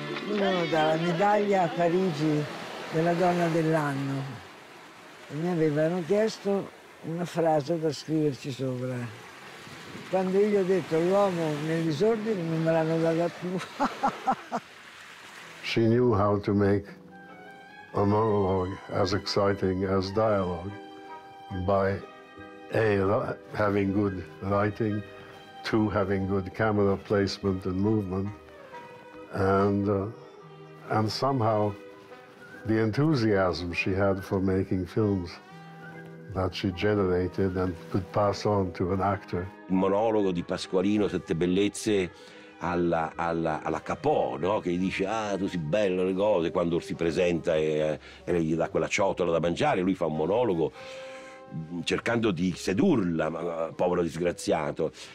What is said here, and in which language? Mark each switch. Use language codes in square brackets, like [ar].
[it] Uno dà la medaglia a Parigi della donna dell'anno e mi avevano chiesto una frase da scriverci sopra. Quando io gli ho detto l'uomo nel disordine non me l'hanno data più. [en] She knew how to make a monologue as exciting as dialogue by A, having good writing, two, having good camera placement and movement, and somehow the enthusiasm she had for making films that she generated and could pass on to an actor. [it] Il monologo di Pasqualino Sette Bellezze alla Capò, no? Che gli dice ah tu sei bello le cose, quando si presenta e gli dà quella ciotola da mangiare, lui fa un monologo cercando di sedurla, povero disgraziato.